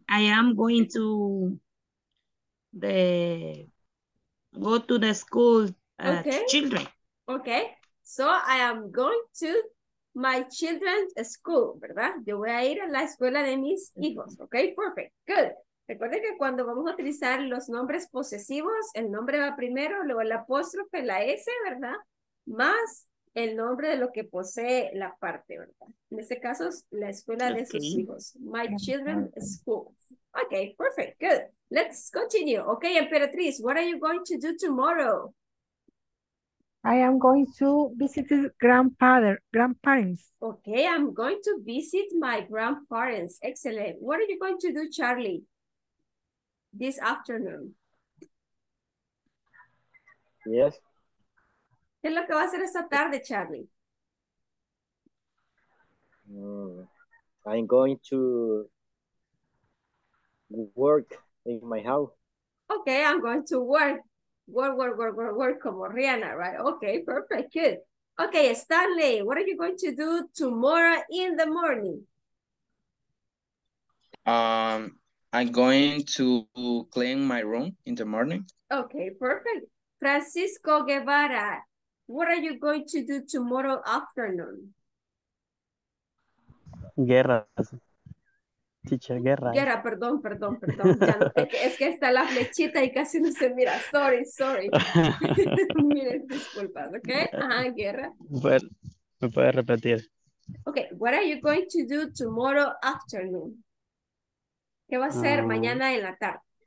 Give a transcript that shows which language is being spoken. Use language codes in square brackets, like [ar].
[en] I am going to go to the school children. Okay, so I am going to my children's school, ¿verdad? [es] Yo voy a ir a la escuela de mis hijos. [en] Okay, perfect, good. [es] Recuerden que cuando vamos a utilizar los nombres posesivos, el nombre va primero, luego el apóstrofe, la S, ¿verdad? Más el nombre de lo que posee la parte, ¿verdad? En este caso, es la escuela de sus hijos. [en] My children's school. Ok, perfect, good. Let's continue. Ok, Emperatriz, what are you going to do tomorrow? I am going to visit his grandparents. Okay, I'm going to visit my grandparents. Excellent. What are you going to do, Charlie, this afternoon? Yes. [es] ¿Qué es lo que va a hacer esta tarde, Charlie? [en] I'm going to work in my house. Okay, I'm going to work. Work, como Rihanna, right? Okay, perfect, good. Okay, Stanley, what are you going to do tomorrow in the morning? I'm going to clean my room in the morning. Okay, perfect. Francisco Guevara, what are you going to do tomorrow afternoon? [es] Guerra, perdón. Es que está la flechita y casi no se mira. Sorry. Miren, disculpas, ¿ok? Ajá, guerra. Bueno, me puede repetir. [en] Ok, what are you going to do tomorrow afternoon? [es] ¿Qué va a hacer mañana en la tarde?